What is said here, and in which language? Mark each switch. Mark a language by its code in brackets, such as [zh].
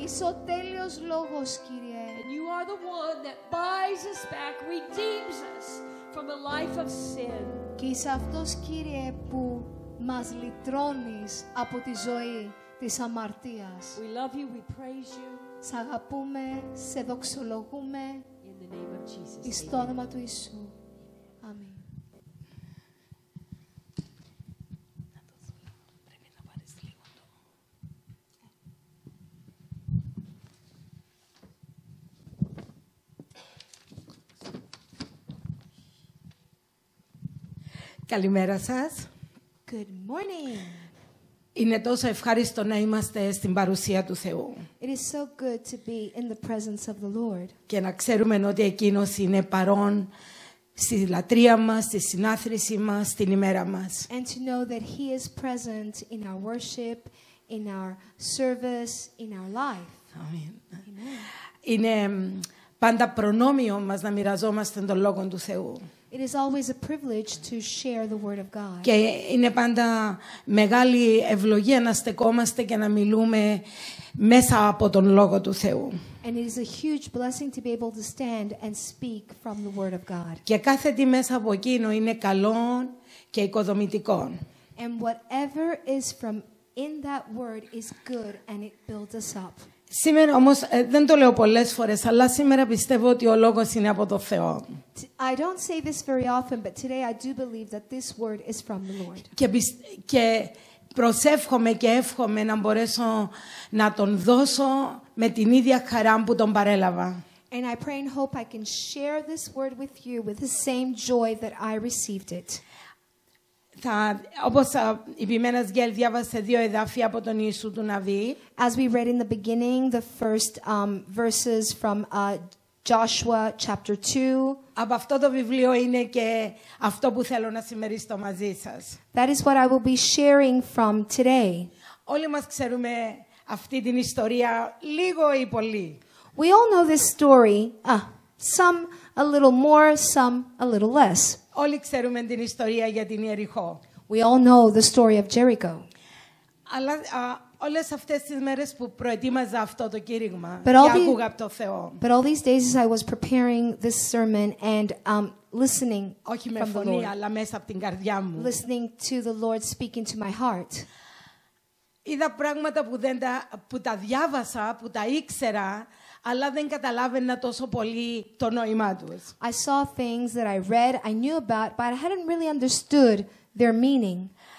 [el] Είσαι ο τέλειος λόγος, Κύριε. [en] And you are the one that buys us back, redeems us from the life of sin. [el] Και είσαι αυτός, Κύριε, που μας λυτρώνεις από τη ζωή της αμαρτίας. [en] We love you, we praise you. [el] Σ' αγαπούμε, σε δοξολογούμε. [en] In the name of Jesus. [el] Εις το όνομα του Ιησού. Αμήν. Καλημέρα σας. [en] Good morning. [el] Είναι τόσο ευχάριστο να είμαστε στην παρουσία του Θεού. [en] It is so good to be in the presence of the Lord. [el] Και να ξέρουμε ότι Εκείνος είναι παρόν στη λατρεία μας, στη συνάθρηση μας, στην ημέρα μας. [en] And to know that He is present in our worship, in our service, in our life. Amen. [el] Είναι πάντα προνόμιο μας να μοιραζόμαστε τον Λόγο του Θεού. [en] It is always a privilege to share the word of God. [el] Και είναι πάντα μεγάλη ευλογία να στεκόμαστε και να μιλούμε μέσα από τον λόγο του Θεού. [en] And it is a huge blessing to be able to stand and speak from the word of God. [el] Και κάθε τι μέσα από εκείνο είναι καλό και οικοδομητικό. [en] And whatever is from in that word is good and it builds us up. [el] Σήμερα όμως δεν το λέω πολλές φορές, αλλά σήμερα πιστεύω ότι ο λόγος είναι από το Θεό. [en] I don't say this very often, but today I do believe that this word is from the Lord. [el] Και προσεύχομαι και εύχομαι να μπορέσω να τον δώσω με την ίδια χαρά που τον παρέλαβα. [en] And I pray and hope I can share this word with you with the same joy that I received it. [el] Όπως η επιμένας Γκέλ διάβασε δύο εδάφια από τον Ιησού του Ναβί. [en] As we read in the beginning, the first verses from Joshua chapter 2. [el] Από αυτό το βιβλίο είναι και αυτό που θέλω να συμμερίσω μαζί σας. [en] That is what I will be sharing from today. [el] Όλοι μας ξέρουμε αυτή την ιστορία λίγο ή πολύ. [en] We all know this story, some a little more, some a little less. [el] Όλοι ξέρουμε την ιστορία για την Ιεριχώ. [en] We all know the story of Jericho. [el] Αλλά όλες αυτές τις μέρες που προετοίμαζα αυτό το κήρυγμα και άκουγα από το Θεό. [en] But all these days as I was preparing this sermon and listening [el] όχι με φωνή, αλλά μέσα από την καρδιά μου. [en] Listening to the Lord speaking to my heart. [el] Είδα πράγματα που τα διάβασα, που τα ήξερα, αλλά δεν καταλάβαινα τόσο πολύ το νόημά τους. [en] I saw things that I read, I knew about, but I hadn't really understood their meaning.